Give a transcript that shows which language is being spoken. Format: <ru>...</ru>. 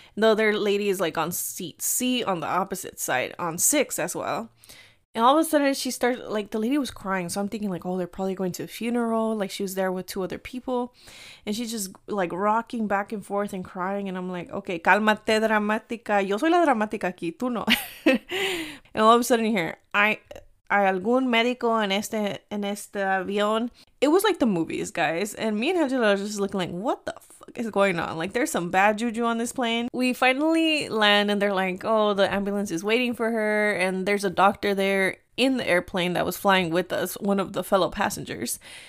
<en>The other lady is like on seat C on the opposite side on 6 as well. And all of a sudden she starts, like the lady was crying. So I'm thinking like, oh, they're probably going to a funeral. Like she was there with 2 other people. And she's just like rocking back and forth and crying. And I'm like, okay,</en> <es>cálmate, dramática. Yo soy la dramática aquí, tú no.</es> <en>And all of a sudden here,</en> <es>¿hay algún médico en este avión?</es> <en>It was like the movies, guys. And me and Angela are just looking like, what the fuck is going on? Like, there's some bad juju on this plane. We finally land and they're like, oh, the ambulance is waiting for her. And there's a doctor there in the airplane that was flying with us, one of the fellow passengers.</en>